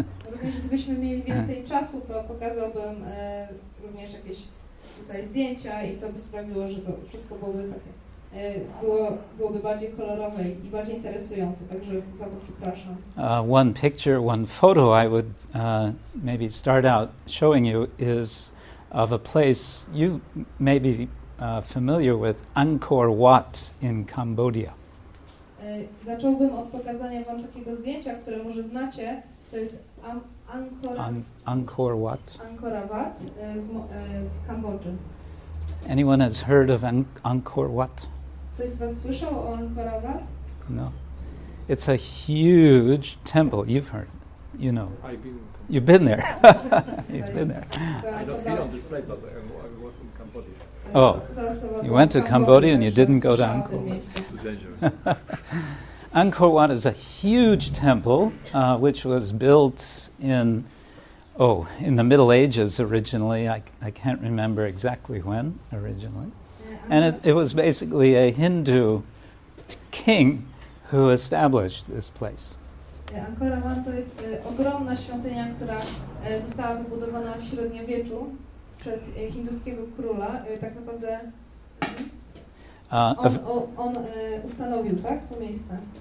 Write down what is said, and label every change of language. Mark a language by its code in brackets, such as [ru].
[pl] Również gdybyśmy mieli więcej czasu, to pokazałbym również jakieś tutaj zdjęcia i to by sprawiło, że to wszystko byłoby takie, byłoby bardziej kolorowe i bardziej interesujące, także za to przepraszam. [en] One picture, one photo I would maybe start out showing you is of a place you may be familiar with, Angkor Wat in Cambodia. [pl] Zacząłbym od pokazania wam takiego zdjęcia, które może znacie. Angkor Wat. Angkor Wat w Kambodży. [en] Anyone has heard of Angkor Wat? [pl] Ktoś z was słyszał o Angkor Wat? [en] No. It's a huge temple. You've heard. You know. I've been. You've been there. He's been there. I don't been on this place, but I was in Cambodia. Oh. You went to Cambodia and you didn't go to Angkor Wat. Too dangerous. Angkor Wat is a huge temple which was built in the Middle Ages originally. I can't remember exactly when originally. And it was basically a Hindu king who established this place. [pl] Angkor Wat to jest ogromna świątynia, która została wybudowana w średniowieczu przez hinduskiego króla. Tak naprawdę on ustanowił, tak, to miejsce.